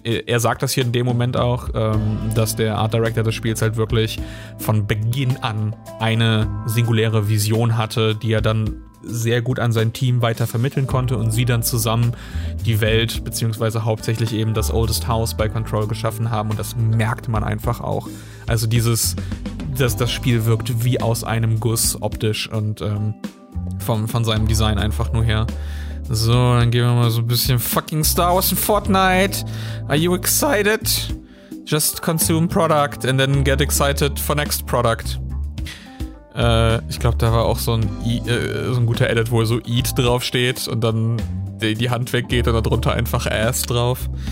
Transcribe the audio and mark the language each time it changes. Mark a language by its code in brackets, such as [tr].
[de] Er sagt das hier in dem Moment auch, dass der Art Director des Spiels halt wirklich von Beginn an eine singuläre Vision hatte, die er dann sehr gut an sein Team weiter vermitteln konnte und sie dann zusammen die Welt beziehungsweise hauptsächlich eben das Oldest House bei Control geschaffen haben und das merkt man einfach auch. Also das Spiel wirkt wie aus einem Guss optisch und von seinem Design einfach nur her. So, dann gehen wir mal so ein bisschen fucking Star Wars in Fortnite. [en] Are you excited? Just consume product and then get excited for next product. [de] Ich glaube, da war auch so ein guter Edit, wo so Eat draufsteht und dann die Hand weggeht und darunter einfach Ass drauf.